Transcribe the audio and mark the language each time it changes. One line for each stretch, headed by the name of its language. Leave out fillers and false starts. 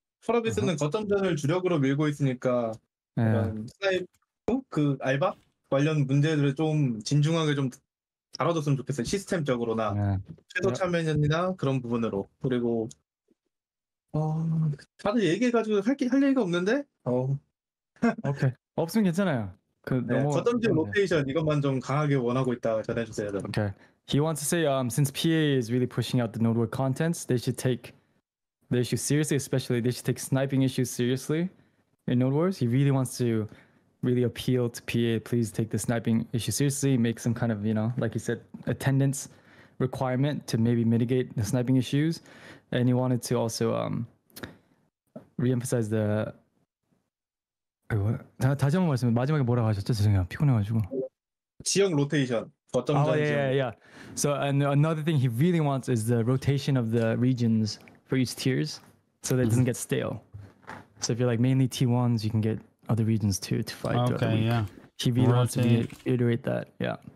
Korean: 프로비스는 거점전을 주력으로 밀고 있으니까 스나이프 그 알바 관련 문제들을 좀 진중하게 좀 다뤄줬으면 좋겠어요. 시스템적으로나 최소 참여인이나 그런 부분으로. 그리고 다들 얘기해가지고 할 얘기가 없는데? 오케이. 없으면 괜찮아요. 그 너무 거점전 로테이션 이것만 좀 강하게 원하고 있다 전해주세요.
English: 오케이. Okay. He wants to say since PA is really pushing out the node war contents, they should take the issue seriously, especially they should take sniping issues seriously in Node Wars. He really wants to really appeal to PA, please take the sniping issue seriously, make some kind of, you know, like you said, attendance requirement to maybe mitigate the sniping issues. And he wanted to also reemphasize the
Korean: 아이고, 다, 다시 한번 말씀 마지막에 뭐라고 하셨죠? 죄송해요. 피곤해가지고. 지형 로테이션. 어떤
English: Oh, yeah, yeah. So, and another thing he really wants is the rotation of the regions for each tiers so that it doesn't get stale. So if you're like mainly T1s, you can get other regions too to fight throughout the week. Yeah. He really wants to reiterate that, yeah.